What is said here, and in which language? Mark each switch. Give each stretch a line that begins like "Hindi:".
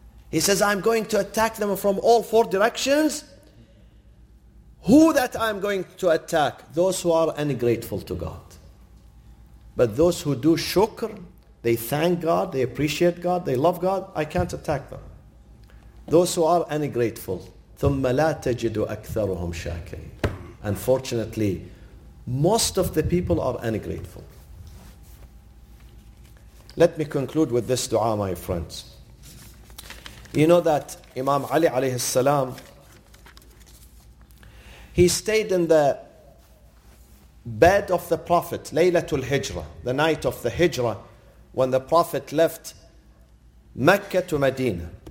English: He says, I'm going to attack them from all four directions. Who that I'm going to attack? Those who are ungrateful to God. But those who do shukr, they thank God, they appreciate God, they love God, I can't attack them. Those who are ungrateful,
Arabic: ثُمَّ لَا تَجِدُ أَكْثَرُهُمْ شَاكِرِينَ.
English: Unfortunately, most of the people are ungrateful. Let me conclude with this dua, my friends. You know that Imam Ali alayhi salam, He stayed in the bed of the Prophet, Laylatul Hijra, the night of the Hijra, when the Prophet left Mecca to Medina.